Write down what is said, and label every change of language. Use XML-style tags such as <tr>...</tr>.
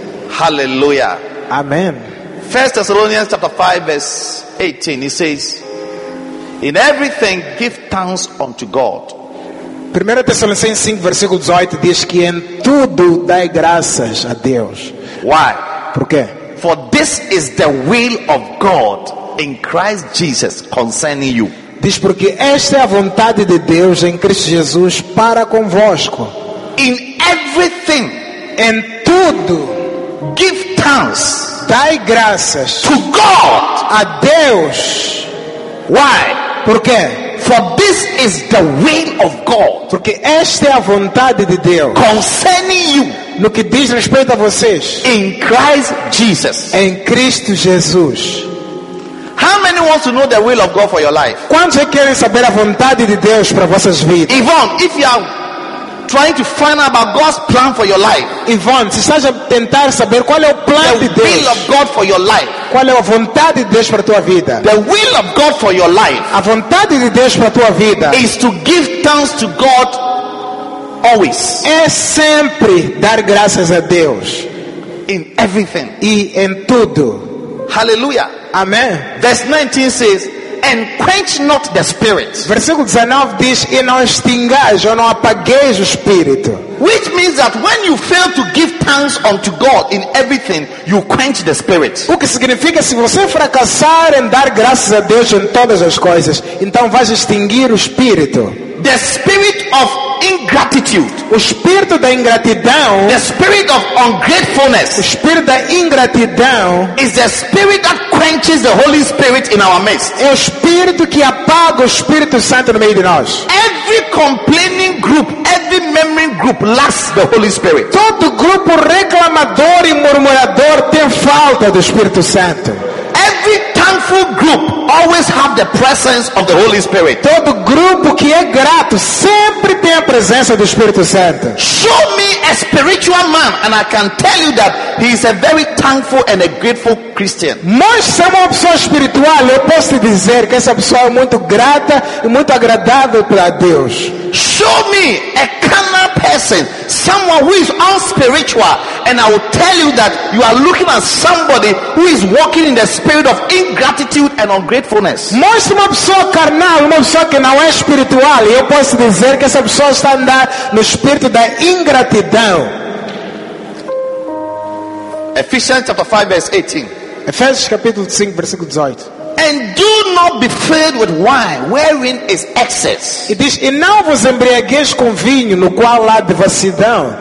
<en>Hallelujah. Amen. 1 Thessalonians chapter 5 verse 18. It says, "In everything give thanks unto God."</en> <pt>1 Thessalonians 5 versículo 18 diz que em tudo dai graças a Deus.</pt> <en>Why?</en> <pt>Por quê?</pt> <en>For this is the will of God in Christ Jesus concerning you.</en> <pt>Diz porque esta é a vontade de Deus em Cristo Jesus para convosco.</pt> <en>In everything,</en> <pt>em tudo,</pt> <en>give thanks,</en> <pt>dai graças,</pt> <en>to God,</en> <pt>a Deus.</pt> <en>Why?</en> <pt>Porque?</pt> <en>For this is the will of God.</en> <pt>Porque esta é a vontade de Deus.</pt> <en>Concerning you,</en> <pt>no que diz respeito a vocês.</pt> <en>In Christ Jesus,</en> <pt>em Cristo Jesus.</pt> <en>How many want to know the will of God for your life?</en> <pt>Quantos querem saber a vontade de Deus para vossas vidas?</pt> <en>Yvonne, if you are trying to find out about God's plan for your life.</en> <pt>Yvonne, se estás a tentar saber qual é o plano de Deus.</pt> <en>The will of God for your life.</en> <pt>Qual é a vontade de Deus para tua vida?</pt> <en>The will of God for your life.</en> <pt>A vontade de Deus para tua vida.</pt> <en>Is to give thanks to God always.</en> <pt>É sempre dar graças a Deus.</pt> <en>In everything.</en> <pt>E em tudo.</pt> <en>Hallelujah. Amen. Verse 19 says, "And quench not the spirit."</en> <pt>Versículo 19 diz, "E não extingais, ou não apagueis o espírito."</pt> <en>Which means that when you fail to give thanks unto God in everything, you quench the spirit.</en> <pt>O que significa se você fracassar em dar graças a Deus em todas as coisas, então vais extinguir o espírito.</pt> <en>The spirit of ingratitude.</en> <pt>O espírito da ingratidão.</pt> <en>The spirit of ungratefulness.</en> <pt>O espírito da ingratidão.</pt> <en>Is the spirit that quenches the Holy Spirit in our midst.</en> <pt>É o espírito que apaga o Espírito Santo no meio de nós.</pt> <en>Every complaining group, every murmuring group lacks the Holy Spirit.</en> <pt>Todo grupo reclamador e murmurador tem falta do Espírito Santo.</pt> <en>Every thankful group always have the presence of the Holy Spirit.</en> <pt>Todo grupo que é grato sempre tem a presença do Espírito Santo.</pt> <en>Show me a spiritual man and I can tell you that he is a very thankful and a grateful Christian.</en> <pt>Mostre-me uma pessoa espiritual, eu posso te dizer que essa pessoa é muito grata e muito agradável para Deus.</pt> <en>Show me a carnal person, someone who is unspiritual, and I will tell you that you are looking at somebody who is walking in the spirit of ingratitude and ungratefulness.</en> <pt>Mostre uma pessoa carnal, uma pessoa que não é espiritual, e eu posso dizer que essa pessoa está andando no espírito da ingratidão.</pt> <en>Ephesians chapter 5 verse 18.</en> <pt>Efésios capítulo 5 versículo 18.</pt> <en>And do not be filled with wine, wherein is excess. It is,</en> <pt>e não vos embriagueis com vinho, no qual há devassidão.</pt>